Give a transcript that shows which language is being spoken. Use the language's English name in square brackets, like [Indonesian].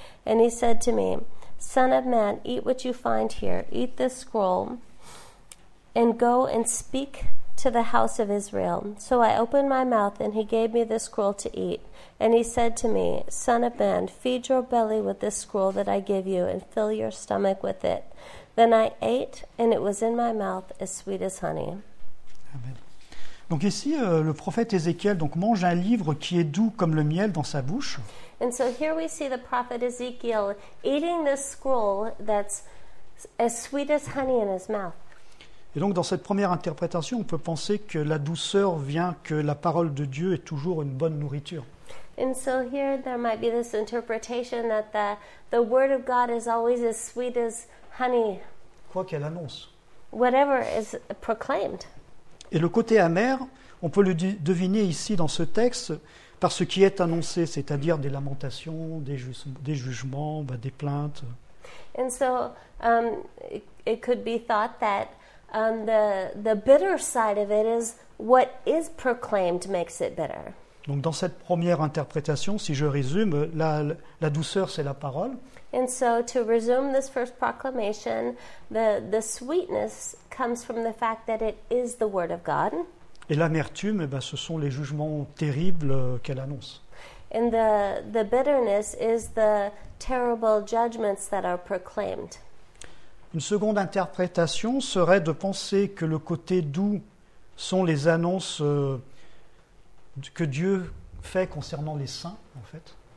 [English] And he said to me, Son of man, eat what you find here, eat this scroll, and go and speak to the house of Israel. So I opened my mouth, and he gave me the scroll to eat. And he said to me, Son of man, feed your belly with this scroll that I give you, and fill your stomach with it. Then I ate, and it was in my mouth as sweet as honey. Amen. [French] Donc ici, le prophète Ézéchiel donc mange un livre qui est doux comme le miel dans sa bouche. [English] And so here we see the prophet Ezekiel eating this scroll that's as sweet as honey in his mouth. [French] Et donc dans cette première interprétation, on peut penser que la douceur vient que la parole de Dieu est toujours une bonne nourriture. [English] And so here there might be this interpretation that the word of God is always as sweet as honey. [French] Quoi qu'elle annonce. [English] Whatever is proclaimed. [French] Et le côté amer, on peut le deviner ici dans ce texte par ce qui est annoncé, c'est-à-dire des lamentations, des jugements, des plaintes. [English] And so it could be thought that the bitter side of it is what is proclaimed makes it bitter. [French] Donc dans cette première interprétation, si je résume, la douceur c'est la parole. [English] And so to resume this first proclamation, the sweetness comes from the fact that it is the word of God. [French] Et l'amertume, eh ben, ce sont les jugements terribles qu'elle annonce. [English] And the bitterness is the terrible judgments that are proclaimed. [French] Une seconde interprétation serait de penser que le côté doux sont les annonces que Dieu fait concernant les saints, en fait.